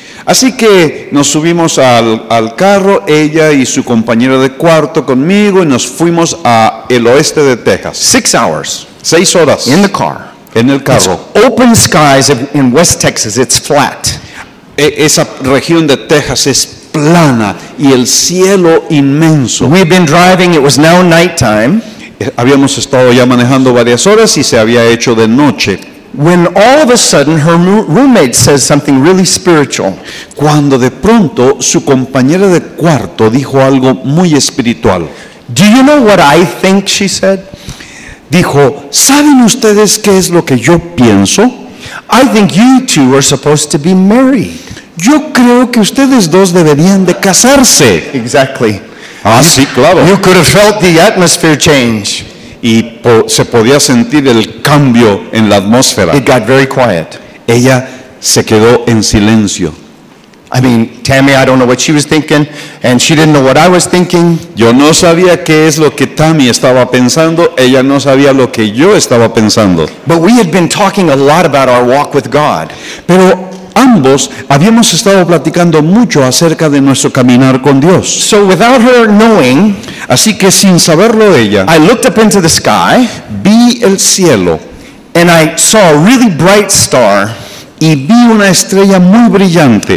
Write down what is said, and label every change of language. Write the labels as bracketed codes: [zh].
[es] Así que nos subimos al carro, ella y su compañera de cuarto conmigo, y nos fuimos a el oeste de Texas. [en] 6 hours. [es] 6 horas. [en] In the car. [es] En el carro. [en] It's open skies in West Texas. It's flat. [es] Esa región de Texas es plana y el cielo inmenso. [en] We've been driving. It was now nighttime. [es] Habíamos estado ya manejando varias horas y se había hecho de noche. [en] When all of a sudden her roommate says something really spiritual. [es] Cuando de pronto su compañera de cuarto dijo algo muy espiritual. [en] "Do you know what I think?" she said. [es] Dijo, "¿Saben ustedes qué es lo que yo pienso? [en] I think you two are supposed to be married." [es] Yo creo que ustedes dos deberían de casarse. [en] Exactly. [es] Ah, sí, claro. [en] You could have felt the atmosphere change. [es] Y se podía sentir el cambio en la atmósfera. [en] It got very quiet. [es] Ella se quedó en silencio. [en] I mean, Tammy, I don't know what she was thinking, and she didn't know what I was thinking. [es] Yo no sabía qué es lo que Tammy estaba pensando, ella no sabía lo que yo estaba pensando. [en] But we had been talking a lot about our walk with God. [es] Pero ambos habíamos estado platicando mucho acerca de nuestro caminar con Dios. [en] So without her knowing, [es] así que sin saberlo ella, [en] I looked up into the sky, [es] vi el cielo, [en] and I saw a really bright star, [es] y vi una estrella muy brillante.